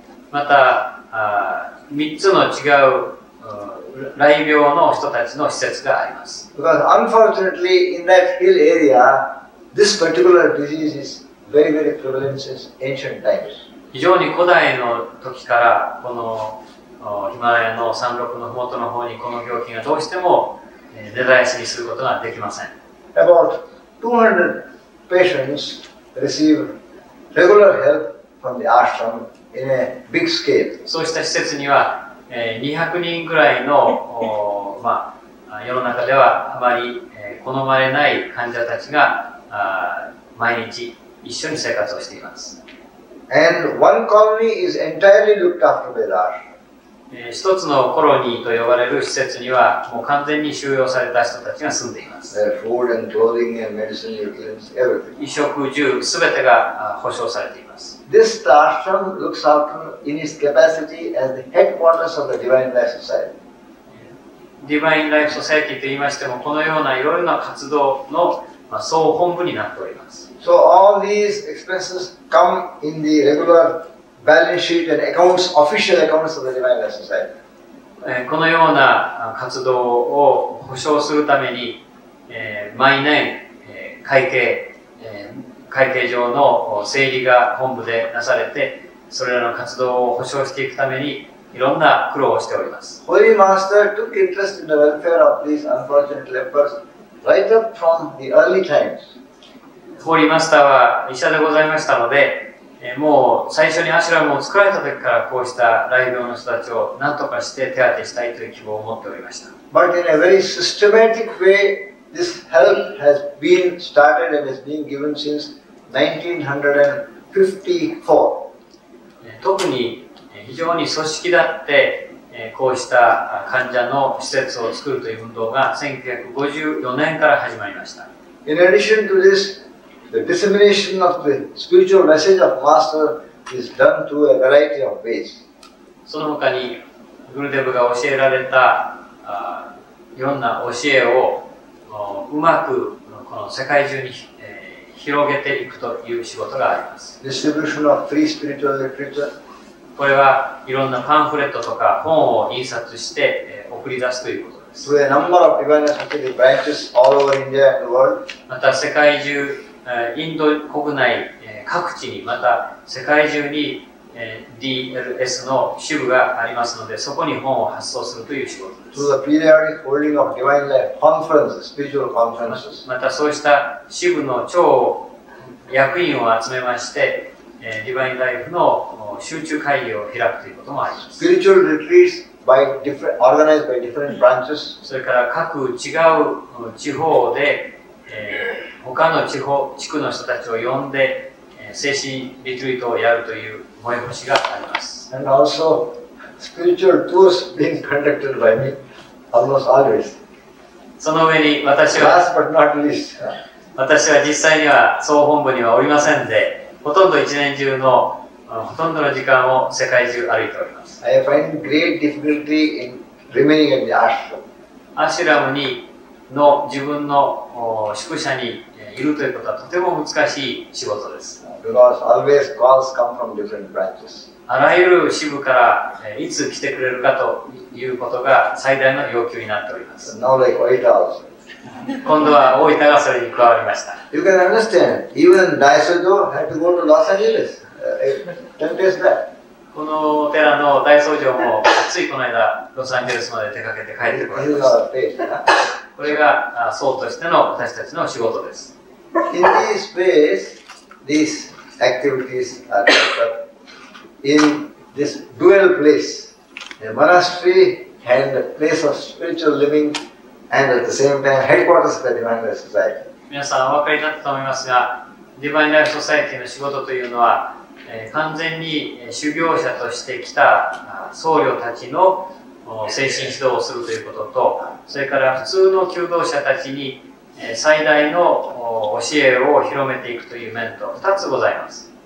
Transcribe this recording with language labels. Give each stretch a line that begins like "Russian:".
Japanese: また、3つの違う雷病の人たちの施設があります。
English: Because unfortunately, in that hill area, this particular disease is very, very prevalent since ancient times.
Japanese: 非常に古代の時から、このヒマラヤの山麓の麓の方にこの病気がどうしても根絶やしにすることができません。
English: About 200 patients receive regular help from the ashram in a big scale.
Japanese: そうした施設には200人くらいの世の中ではあまり好まれない患者たちが毎日一緒に生活をしています。
English: And one colony is entirely looked after by the ashram.
Japanese: 一つのコロニーと呼ばれる施設にはもう完全に収容された人たちが住んでいます。
English: Food and clothing and medicine, everything.
Japanese: 衣食住すべてが保障されています。
English: This ashram looks after in its capacity as the headquarters of the Divine Life Society.
Japanese: Divine Life Society と言いましてもこのようないろいろな活動の総本部になっております。
English: So all these expenses come in the regular. Balance sheet and accounts, official accounts of the Divine Life Society.
Japanese: このような活動を保証するために、毎年、会計上の整理が本部でなされて、それらの活動を保証していくために、いろんな苦労をしております。
English: Holy Master took interest in the welfare of these unfortunate lepers right up from the early times.
Japanese: Holy Master は医者でございましたので、もう最初にアシュラムを作られた時からこうした雷病の人たちを何とかして手当てしたいという希望を持っておりました。
English: But in a very systematic way, this help has been started and has been given since 1954.
Japanese: 特に非常に組織だってこうした患者の施設を作るという運動が1954年から始まりました。
English: In addition to this,The dissemination of the spiritual message of Master is done through a variety of ways.
Japanese: その他に、グルデブが教えられた、いろんな教えを、うまく、この世界中に、広げていくという仕事があります。
English: Distribution of free spiritual literature.
Japanese: これは、いろんなパンフレットとか本を印刷して、送り出すということです。
English: Through a number of Divine Society branches all over India and the world.
Japanese: また世界中、インド国内各地にまた世界中に DLS の支部がありますのでそこに本を発送するという仕事です。またそうした支部の長役員を集めましてディバインライフの集中会議を開くということもあります。
English: Spiritual retreats by different, organized by different branches.
Japanese: それから各違う地方で、他の地方、地区の人たちを呼んで、精神リトリートをやるという催しがあります。
English: And also, spiritual tours being conducted by me, almost always.
Japanese: その上に私は、
English: Last but not least.
Japanese: 私は実際には総本部にはおりませんで、ほとんど一年中のほとんどの時間を世界中歩いております。
English: I find great difficulty in remaining in the ashram.
Japanese: アシュラムにの自分の宿舎にいるということはとても難しい仕事です。
English: Because always calls come from different branches.
Japanese: あらゆる支部からいつ来てくれるかということが最大の要求になっております。
English: Now like 8 hours.
Japanese: 今度は大分がそれに加わりました。
English: You can understand, even Daisojo had to go to Los Angeles. 10 days back.
Japanese: このお寺の大僧正もついこの間、ロサンゼルスまで出かけて帰ってこられました。これが僧としての私たちの仕事です。
English: In this space, these activities are in this dual place, the monastery and the place of spiritual living. And at the same time, headquarters of the Divine Life Society.
Japanese: 皆さんお分かりだったと思いますが、ディバインライフソサエティの仕事というのは、完全に修行者として来た僧侶たちの精神指導をするということと、それから普通の求道者たちに最大の教えを広めていくという面と2つございます。